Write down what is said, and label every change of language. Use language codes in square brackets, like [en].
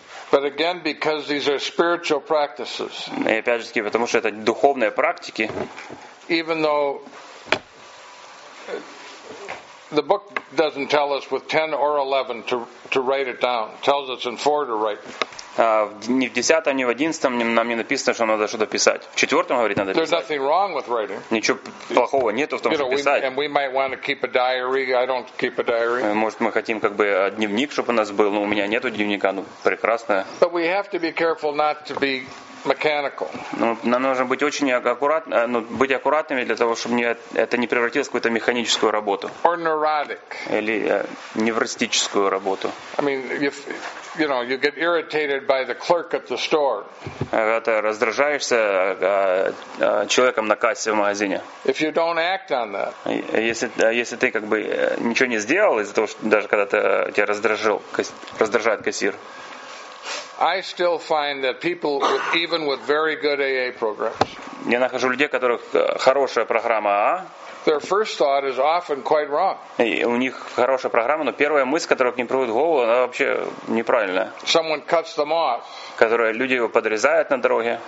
[en] But again, because these are spiritual practices. [ru] И опять же, потому что это духовные практики. [en] Even though the book doesn't tell us with 10 or 11 to write it down. It tells us in 4 to write. [ru] Ни в 10-м, ни в 11-м нам не написано, что надо что-то писать. В 4-м, говорит, надо писать. [en] There's nothing wrong with writing. [ru] Ничего плохого нету в том, что писать. [en] And we might want to keep a diary. I don't keep a diary. [ru] Может, мы хотим как бы дневник, чтобы у нас был. Но у меня нету дневника. Ну, прекрасно. [en] But we have to be careful not to be mechanical. [ru] Ну, нам нужно быть очень аккуратными, ну, быть аккуратными для того, чтобы это не превратилось в какую-то механическую работу. [en] Or neurotic. [ru] Или невростическую работу. [en] I mean, if you know, you get irritated by the clerk at the store. [ru] Когда ты раздражаешься человеком на кассе в магазине. [en] If you don't act on that. [ru] Если ты как бы ничего не сделал из-за того, что даже когда тебя раздражает кассир. [en] I still find that people, even with very good AA programs, [ru] я нахожу людей, у которых хорошая программа АА. [en] Their first thought is often quite wrong. [ru] У них хорошая программа, но первая мысль, которая к ним приходит в голову, она вообще неправильная. [en] Someone cuts them off. [ru] Которые люди его подрезают на дороге.